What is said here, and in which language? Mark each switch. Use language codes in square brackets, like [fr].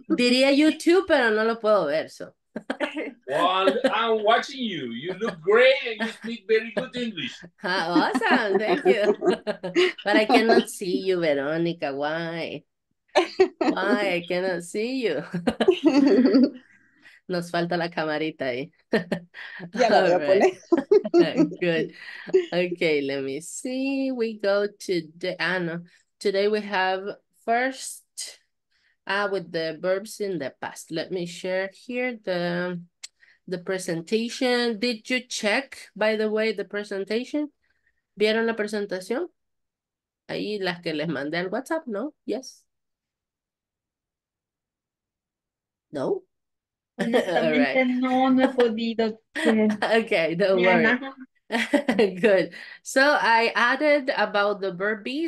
[es] Diría YouTube, pero no lo puedo ver, so. [en] Well, I'm watching you. You look great and you speak very good English. Awesome, thank you. But I cannot see you, Veronica. Why? Why I cannot see you? [es] Nos falta la camarita Ya la ahí. a poner. [en] right. Good. Okay, let me see. We go to the no. Today we have first with the verbs in the past. Let me share here the presentation. Did you check, by the way, the presentation? [es] ¿Vieron la presentación? Ahí las que les mandé al WhatsApp, ¿no? [en] Yes. No. All right. [es] Honestamente no he podido ver. [en] Okay, don't worry. Diana. Good. So I added about the verb be.